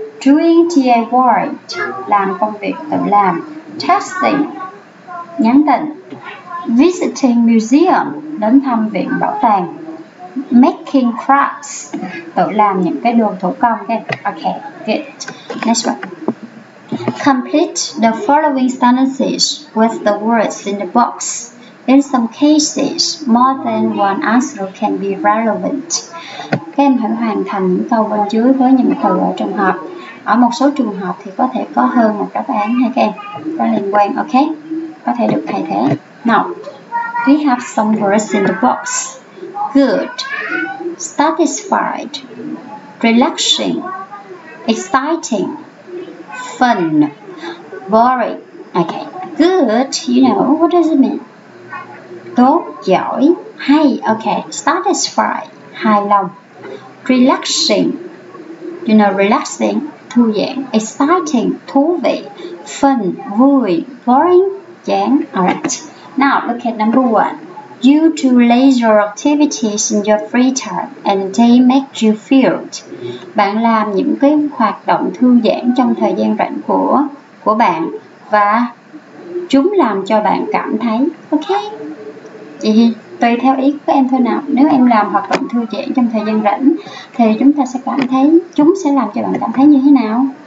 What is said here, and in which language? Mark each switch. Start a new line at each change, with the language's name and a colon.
English: Doing DIY.
Vietnamese: Làm công việc tự làm. Testing. Nhắn tin.
English: Visiting museum.
Vietnamese: Đến thăm viện bảo tàng.
English: Making crafts.
Vietnamese: Tự làm những cái đồ thủ công.
English: Okay, good. Next one. Complete the following sentences with the words in the box. In some cases, more than one answer can be relevant.
Vietnamese: Các em hãy hoàn thành những câu bên dưới với những từ ở trong hộp. Ở một số trường hợp thì có thể có hơn một đáp án hay các em có liên quan. Okay, có thể được thay thế.
English: Now, we have some words in the box. Good, satisfied, relaxing, exciting, fun, boring. Okay, good, you know, what does it mean?
Vietnamese: Tốt, giỏi, hay. Okay, satisfied, hài lòng, relaxing, you know, relaxing, thư giãn, exciting, thú vị, fun, vui, boring, chán.
English: Alright, now look at number one. Due to leisure activities in your free time and they make you feel.
Vietnamese: Bạn làm những cái hoạt động thư giãn trong thời gian rảnh của bạn và chúng làm cho bạn cảm thấy. Ok, thì tùy theo ý của em thôi nào. Nếu em làm hoạt động thư giãn trong thời gian rảnh thì chúng ta sẽ cảm thấy, chúng sẽ làm cho bạn cảm thấy như thế nào?